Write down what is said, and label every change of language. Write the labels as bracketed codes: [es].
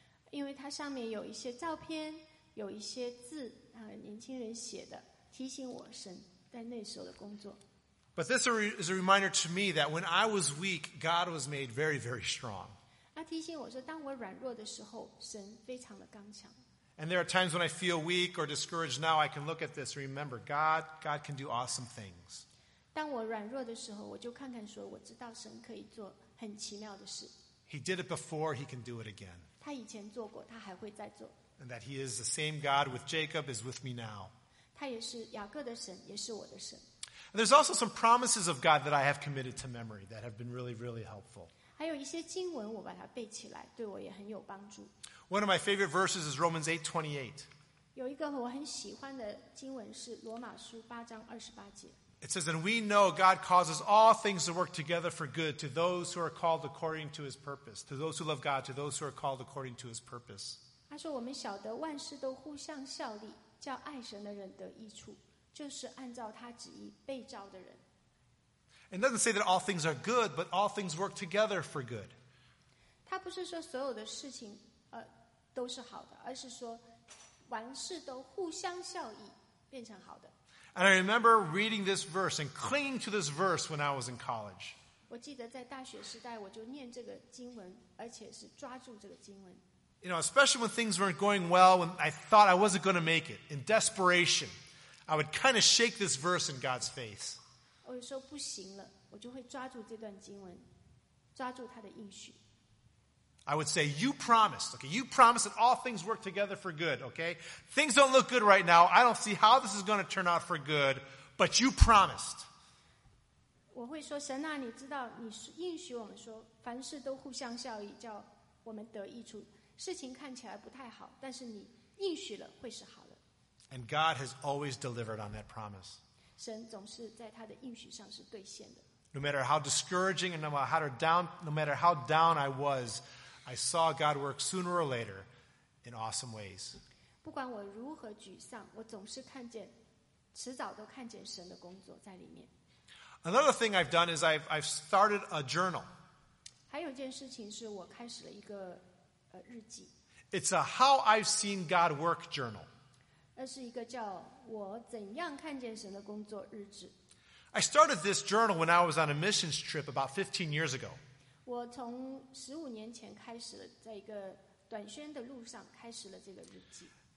[zh] 因为它上面有一些照片，有一些字，年轻人写的，提醒我神在那时候的工作。 [en] But this is a reminder to me that when I was weak, God was made very, very strong. [zh] 他提醒我说当我软弱的时候神非常的刚强。 [en] And there are times when I feel weak or discouraged now, I can look at this and remember God can do awesome things. [zh] 当我软弱的时候我就看看说我知道神可以做很奇妙的事。 [en] He did it before, he can do it again. [zh] 他以前做过他还会再做。 [en] And that he is the same God with Jacob is with me now. [zh] 他也是雅各的神也是我的神。 [en] And there's also some promises of God that I have committed to memory that have been really, really helpful. [zh] 还有一些经文我把它背起来对我也很有帮助。 [en] One of my favorite verses is Romans 8:28. [zh] 有一个我很喜欢的经文是罗马书八章二十八节。 [en] It says, And we know God causes all things to work together for good to those who are called according to his purpose. To those who love God, to those who are called according to his purpose. [zh] 他说我们晓得万事都互相效力叫爱神的人得益处就是按照他旨意被召的人。 [en] It doesn't say that all things are good, but all things work together for good. It [zh] 都是好的，而是说凡事都互相效益变成好的。 [en] And I remember reading this verse and clinging to this verse when I was in college. [zh] 我记得在大学时代我就念这个经文，而且是抓住这个经文。 [en] You know, especially when things weren't going well, when I thought I wasn't going to make it, in desperation, I would kind of shake this verse in God's face. [zh] 我就说不行了，我就会抓住这段经文，抓住他的应许。 [en] I would say, you promised, okay, you promised that all things work together for good, okay? Things don't look good right now. I don't see how this is going to turn out for good, but you promised. [zh] 我会说，神啊，你知道你应许我们说，凡事都互相效益，叫我们得益处。事情看起来不太好，但是你应许了会是好的。 [en] And God has always delivered on that promise. [zh] 神总是在他的应许上是兑现的。 [en] No matter how discouraging and no matter how down I was, I saw God work sooner or later in awesome ways. [zh] 不管我如何沮丧，我总是看见，迟早都看见神的工作在里面。 [en] Another thing I've done is I've started a journal. [zh] 还有一件事情是我开始了一个日记。 [en] It's a how I've seen God work journal. [zh] 那是一个叫我怎样看见神的工作日志。 [en] I started this journal when I was on a missions trip about 15 years ago. [zh] 我从15年前开始了，在一个短宣的路上开始了这个日记。